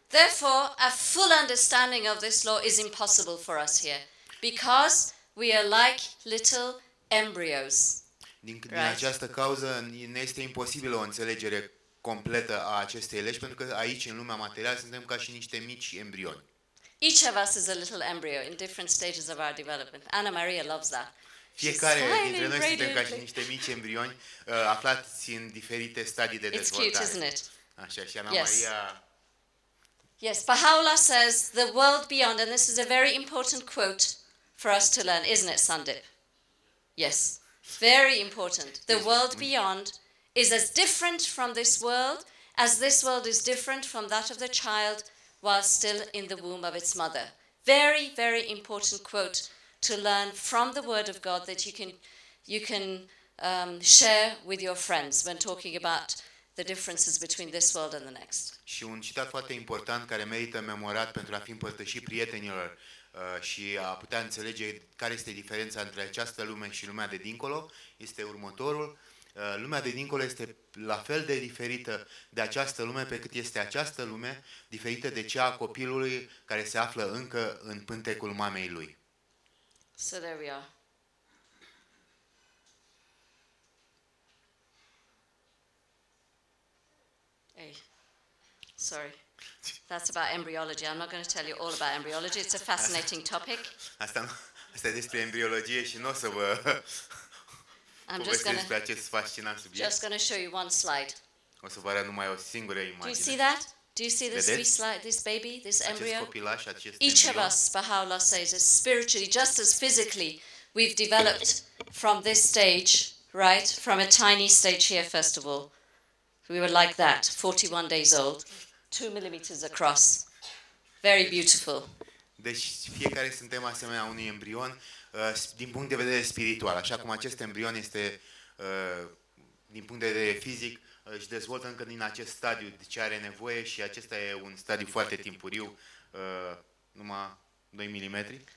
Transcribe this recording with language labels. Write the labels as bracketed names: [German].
[English] Therefore, a full understanding of this law is impossible for us here, because We are like little embryos. [Romanian] Din această cauză ne este imposibilă o înțelegere completă a acestei legi, pentru că aici în lumea materială suntem ca și niște mici embrioni. [English] Each of us is a little embryo in different stages of our development. Anna Maria loves that. [Romanian] Fiecare dintre noi suntem ca și niște mici embrioni aflați în diferite stadii de dezvoltare. [English] It's cute, isn't it? [Romanian] Așa, și Anna Maria. [English] Yes, Baha'u'llah says the world beyond, and this is a very important quote for us to learn, isn't it, Sandip? Yes, very important. The world beyond is as different from this world as this world is different from that of the child while still in the womb of its mother. Very, very important quote to learn from the Word of God that you can share with your friends when talking about the differences between this world and the next. [Romanian] Și un citat foarte important care merită memorat pentru a fi împărtășit prietenilor și a putea înțelege care este diferența între această lume și lumea de dincolo, este următorul. Lumea de dincolo este la fel de diferită de această lume pe cât este această lume diferită de cea a copilului care se află încă în pântecul mamei lui. [English] So there we are. Sorry, that's about embryology. I'm not going to tell you all about embryology. It's a fascinating topic. [Romanian] Asta e despre embriologie și n-o să vă povestesc despre acest fascinant subiect. [English] I'm just going to show you one slide. [Romanian] O să vă arăt numai o singură imagine. [English] Do you see that? Do you see this wee slide, this baby, this embryo? [Romanian] Acest copilaș, acest embryo. [English] Each of us, Baha'u'llah says, is spiritually, just as physically, we've developed from this stage, right? From a tiny stage here, first of all. We were like that, 41 days old, 2 millimeters across, very beautiful. [Romanian] Deci fiecare suntem asemenea unui embrion, din punct de vedere spiritual, așa cum acest embrion este, din punct de vedere fizic, își dezvoltă încă din acest stadiu de ce are nevoie și acesta e un stadiu foarte timpuriu, numai 2 milimetri.